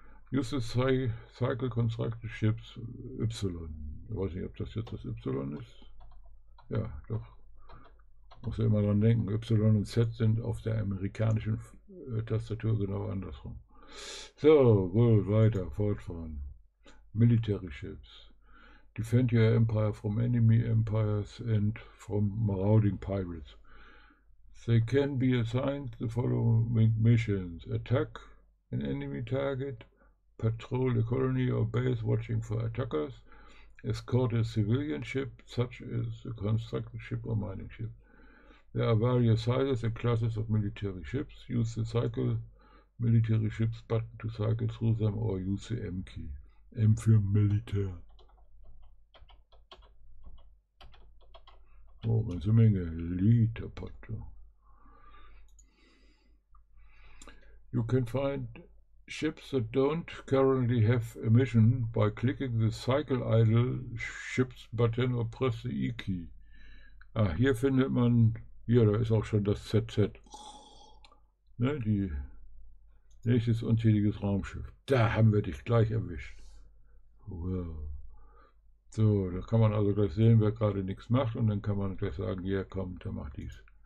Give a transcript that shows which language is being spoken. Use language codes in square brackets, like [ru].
[en] Use the cycle constructed ships Y. [de] Ich weiß nicht, ob das jetzt das Y ist. Ja, doch. Muss ja immer dran denken. Y und Z sind auf der amerikanischen Tastatur genau andersrum. So, gut, weiter, fortfahren. Military Ships. [en] Defend your empire from enemy empires and from marauding pirates. They can be assigned the following missions: attack an enemy target, patrol a colony or base watching for attackers, escort a civilian ship, such as a construction ship or mining ship. There are various sizes and classes of military ships. Use the cycle military ships button to cycle through them or use the M key. [de] M für Militär. Oh, ganze Menge Literpotto. [en] You can find Ships that don't currently have emission by clicking the cycle idle ships button or press the E key. [de] Ah, hier findet man, ja, da ist auch schon das ZZ. Ne, die nächstes untätiges Raumschiff. Da haben wir dich gleich erwischt. Wow. So, da kann man also gleich sehen, wer gerade nichts macht, und dann kann man gleich sagen, ja, komm, der macht dies.